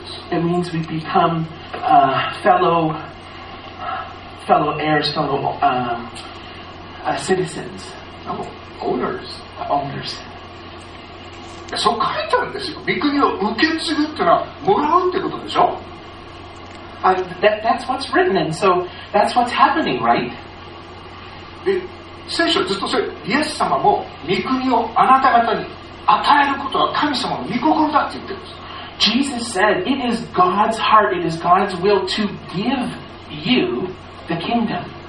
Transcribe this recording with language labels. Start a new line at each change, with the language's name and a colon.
English: It means we become fellow heirs, fellow citizens. Owners.
Japanese: そう書いてあるんですよ。御国を受け継ぐってのはもらうってことでしょ。
English: That's what's written, and so that's what's happening, right?
Japanese: で、聖書はずっとそれ、イエス様も御国をあなた方に与えることは神様の御心だって言ってるんです。
English: Jesus said, it is God's heart, it is God's will to give you the kingdom.